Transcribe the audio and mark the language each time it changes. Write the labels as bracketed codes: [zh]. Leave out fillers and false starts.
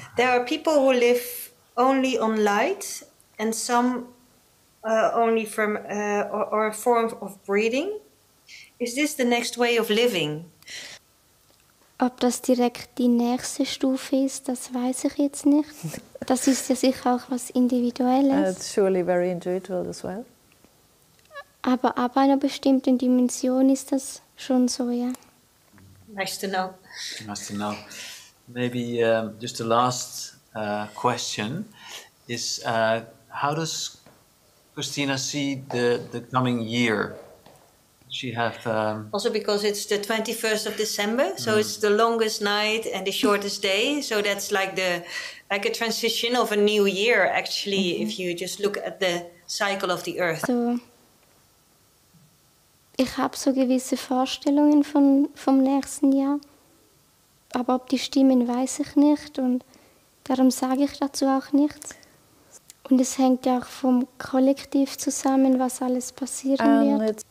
[en] There are people who live only on light and some only from or a form of breathing. Is this the next way of living? [de] Ob das direkt die nächste Stufe ist, das weiß ich jetzt nicht. Das ist ja sicher auch was Individuelles. [en] It's surely very individual as well. [de] Aber ab einer bestimmten Dimension ist das schon so, ja. [en] Nice to know. Nice to know. Maybe just the last question is, how does Christina see the coming year? She have also because it's the 21st of December, so it's the longest night and the shortest day. So that's like the like a transition of a new year, actually, if you just look at the cycle of the Earth. [de] So, ich habe so gewisse Vorstellungen von vom nächsten Jahr, aber ob die stimmen, weiß ich nicht und darum sage ich dazu auch nichts. Und es hängt ja auch vom Kollektiv zusammen, was alles passieren wird.